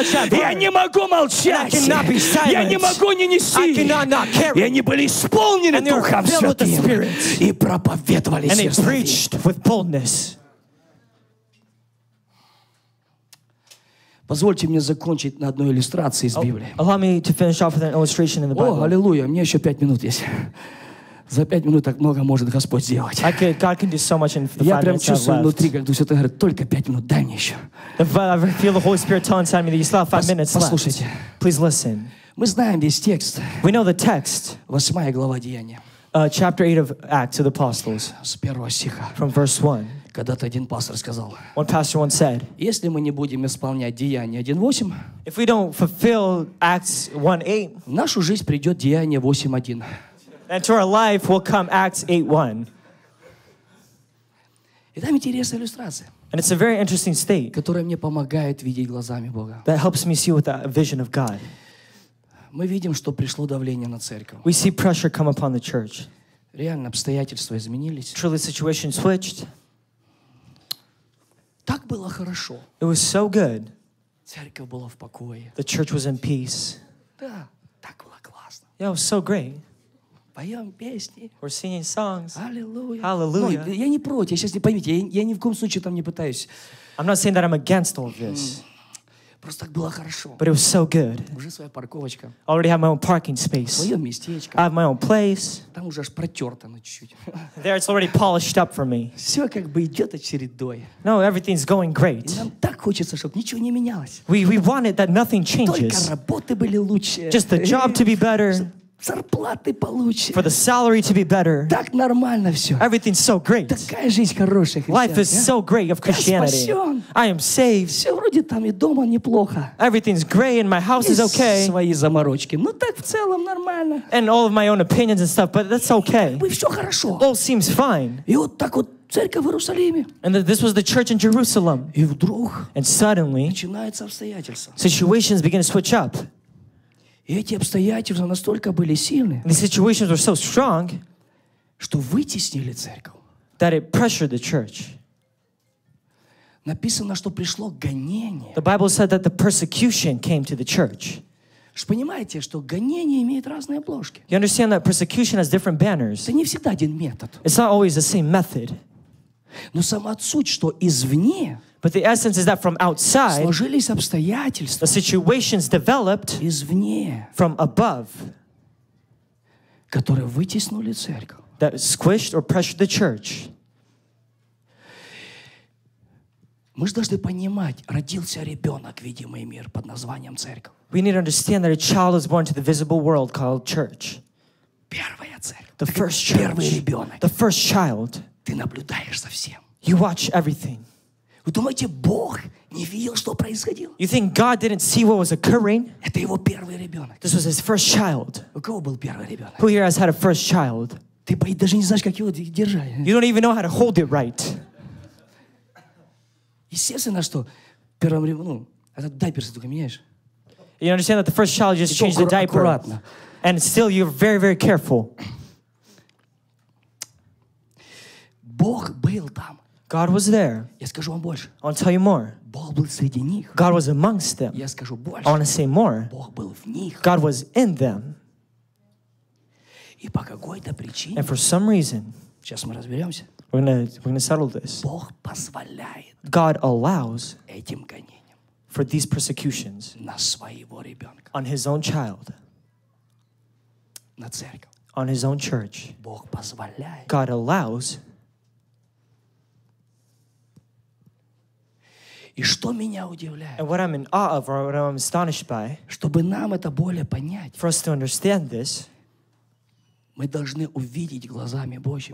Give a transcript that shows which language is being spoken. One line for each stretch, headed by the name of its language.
Russian: Я не могу молчать. Я не могу не нести. И они были исполнены Духом Святым. И проповедовали сердце. Позвольте мне закончить на одной иллюстрации из Библии.
English: Allow me to finish off with an illustration in the Bible.
Russian: О, аллилуйя, мне еще 5 минут есть. За 5 минут так много может Господь сделать.
English: God can do so much in the 5 minutes.
Russian: Я прям чувствую внутри, как Дух Святой говорит, только 5 минут, дай мне еще.
English: I feel the Holy Spirit telling inside me that you still have 5 minutes left.
Russian: Послушайте.
English: Please listen.
Russian: Мы знаем весь текст.
English: We know the text.
Russian: 8 глава Деяния.
English: Chapter 8 of Acts of the Apostles.
Russian: С первого стиха.
English: From verse 1.
Russian: Когда-то один пастор сказал,
English: one pastor once said,
Russian: если мы не будем исполнять Деяния 1.8,
English: if we don't fulfill Acts 1.8,
Russian: в нашу жизнь придет Деяние 8.1.
English: And to our life will come Acts 8.1.
Russian: И там интересная иллюстрация.
English: And it's a very interesting state,
Russian: которая мне помогает видеть глазами Бога.
English: That helps me see with the vision of God.
Russian: Мы видим, что пришло давление на церковь.
English: We see pressure come upon the church.
Russian: Реально обстоятельства изменились.
English: Truly situation switched.
Russian: Так было хорошо.
English: It was so good.
Russian: Церковь была в покое.
English: The church was in peace.
Russian: Да, так было классно.
English: Yeah, it was so great.
Russian: Поем песни.
English: We're singing songs. Hallelujah. Hallelujah.
Russian: Ну, я не против, я сейчас не поймите, я ни в коем случае там не пытаюсь.
English: I'm not saying that I'm against all this.
Russian: Просто так было хорошо.
English: But it was so good.
Russian: Уже своя парковочка.
English: I already have my own parking space.
Russian: Своё местечко.
English: I have my own place.
Russian: Там уже аж протёрто, ну, чуть-чуть.
English: There it's already polished up for me.
Russian: Всё как бы идёт очередной.
English: No, everything's going great.
Russian: И нам так хочется, чтобы ничего не менялось.
English: We want it that nothing changes.
Russian: Только работы были лучше.
English: Just the job to be better.
Russian: Зарплаты получше.
English: For the salary to be better.
Russian: Так нормально всё.
English: Everything's so great.
Russian: Такая жизнь хорошая, христиан.
English: Life is so great of Christianity.
Russian: Я спасён.
English: I am saved.
Russian: Всё вроде там и дома неплохо.
English: Everything's great and my house
Russian: и
English: is okay.
Russian: Свои заморочки. Ну так в целом нормально.
English: And all of my own opinions and stuff, but that's okay.
Russian: И всё хорошо.
English: All seems fine.
Russian: И вот так вот церковь в Иерусалиме.
English: And this was the church in Jerusalem.
Russian: И вдруг.
English: And suddenly.
Russian: Начинается обстоятельство.
English: Situations begin to switch up.
Russian: И эти обстоятельства настолько были сильны,
English: the situations were so strong,
Russian: что вытеснили церковь.
English: That it pressured the church.
Russian: Написано, что пришло гонение.
English: The Bible said that the persecution came to the church.
Russian: Вы понимаете, что гонение имеет разные обложки.
English: You understand that persecution has different banners.
Russian: Это не всегда один метод.
English: It's not always the same method.
Russian: Но сама суть, что извне,
English: but the essence is that from outside,
Russian: сложились обстоятельства,
English: the situations developed
Russian: извне,
English: from above,
Russian: которые вытеснули церковь,
English: that squished or pressured the church.
Russian: Мы же должны понимать, родился ребенок, видимый мир, под названием церковь.
English: We need to understand that a child is born to the visible world called church.
Russian: Первая церковь.
English: The first church.
Russian: Первый ребенок.
English: The first child.
Russian: Ты наблюдаешь за всем.
English: You watch everything.
Russian: Вы думаете, Бог не видел, что происходило?
English: You think God didn't see what was occurring?
Russian: Это его первый ребенок.
English: This was his first child.
Russian: У кого был первый ребенок?
English: Who here has had a first child?
Russian: Ты даже не знаешь, как его держать.
English: You don't even know how to hold it right.
Russian: Естественно, что первым ребенком, ну, этот дайпер ты только меняешь.
English: You understand that the first child just changed the diaper.
Russian: Аккуратно.
English: And still you're very, very careful.
Russian: Бог был там.
English: God was there.
Russian: Я скажу вам больше.
English: I want to tell you more.
Russian: Бог был среди них.
English: God was amongst them.
Russian: Я скажу больше.
English: I want to say more.
Russian: Бог был в них.
English: God was in them.
Russian: И по какой-то причине.
English: And for some reason.
Russian: Сейчас мы разберемся.
English: We're gonna settle this.
Russian: Бог позволяет.
English: God allows.
Russian: Этим гонениям.
English: For these persecutions.
Russian: На своего ребенка.
English: On his own child.
Russian: На церковь.
English: On his own church.
Russian: Бог позволяет.
English: God allows.
Russian: И что меня удивляет?
English: And what I'm in awe of, or what I'm astonished by,
Russian: чтобы нам это более понять,
English: for us to understand this,
Russian: мы должны увидеть глазами Божьими.